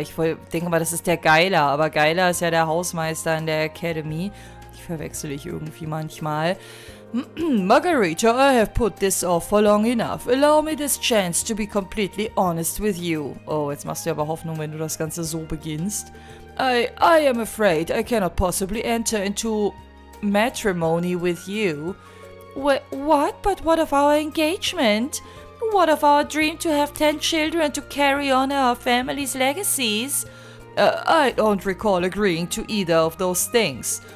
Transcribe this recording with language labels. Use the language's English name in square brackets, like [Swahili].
[German] Ich denke mal, das ist der Geiler, aber Geiler ist ja der Hausmeister in der Academy. Ich verwechsel ich irgendwie manchmal. [English] Margarita, I have put this off for long enough. Allow me this chance to be completely honest with you. [German] Oh, jetzt machst du aber Hoffnung, wenn du das Ganze so beginnst. [English] I am afraid I cannot possibly enter into matrimony with you. What? But what of our engagement? What of our dream to have 10 children to carry on our family's legacies? I don't recall agreeing to either of those things.